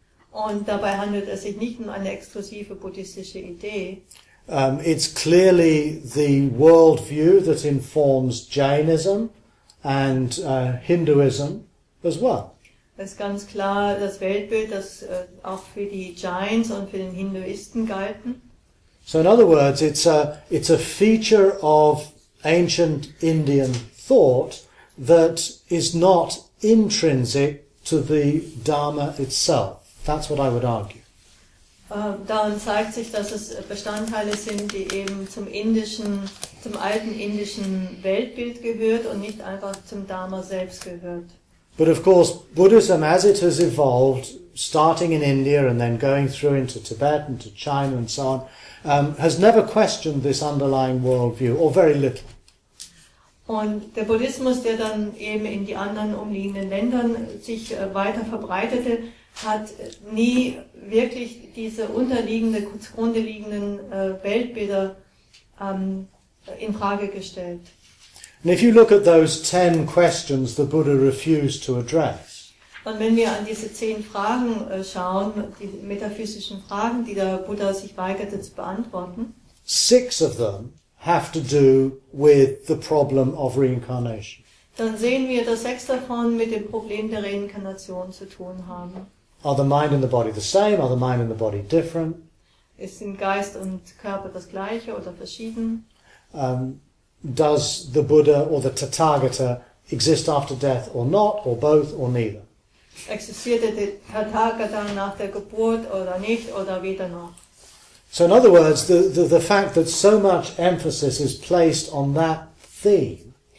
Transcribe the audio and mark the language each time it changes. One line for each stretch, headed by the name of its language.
German: Und dabei handelt es sich nicht um eine exklusive buddhistische Idee.
English: It's clearly the worldview that informs Jainism and Hinduism as well.
German: Es ist ganz klar das Weltbild, das auch für die Jains und für den Hinduisten galten.
English: So in other words, it's a feature of ancient Indian thought that is not intrinsic to the Dharma itself. That's what I would argue.
German: Daran zeigt sich, dass es Bestandteile sind, die eben zum alten indischen Weltbild gehört und nicht einfach zum Dharma selbst gehört.
English: But of course, Buddhism, as it has evolved, starting in India and then going through into Tibet and to China and so on, has never questioned this underlying worldview, or very little.
German: Und der Buddhismus, der dann eben in die anderen umliegenden Ländern sich weiter verbreitete, hat nie wirklich diese zugrundeliegenden Weltbilder in Frage gestellt.
English: And if you look at those 10 questions the Buddha refused to address.
German: Und wenn wir an diese 10 Fragen schauen, die metaphysischen Fragen, die der Buddha sich weigerte zu beantworten,
English: 6 of them have to do with the problem of reincarnation.
German: dann sehen wir, dass sechs davon mit dem Problem der Reinkarnation zu tun haben.
English: Are the mind and the body the same? Are the mind and the body different?
German: Ist im Geist und Körper das gleiche oder verschieden?
English: Does the Buddha or the Tathagata exist after death or not, or both or neither?
German: Existierte der Tathagata nach der Geburt oder nicht oder weder noch?
English: So in other words, the fact that so much emphasis is placed on that theme.